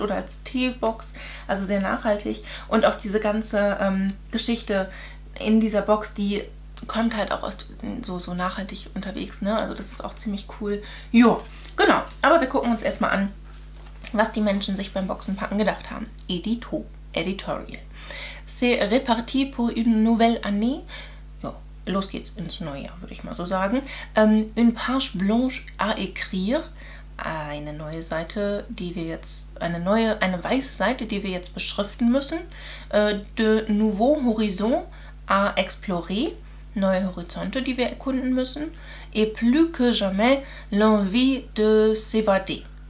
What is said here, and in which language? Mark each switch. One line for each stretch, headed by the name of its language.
German: Oder als Teebox, also sehr nachhaltig. Und auch diese ganze Geschichte in dieser Box, die kommt halt auch aus so nachhaltig unterwegs, ne? Also das ist auch ziemlich cool. Ja, genau. Aber wir gucken uns erstmal an, was die Menschen sich beim Boxenpacken gedacht haben. Editorial.
French: C'est reparti pour une nouvelle année.
German: Los geht's ins neue Jahr, würde ich mal so sagen.
French: Une page blanche à écrire.
German: Eine neue Seite, die wir jetzt, eine weiße Seite, die wir jetzt beschriften müssen.
French: De nouveaux horizons à explorer.
German: Neue Horizonte, die wir erkunden müssen.
French: Et plus que jamais l'envie de s'évader.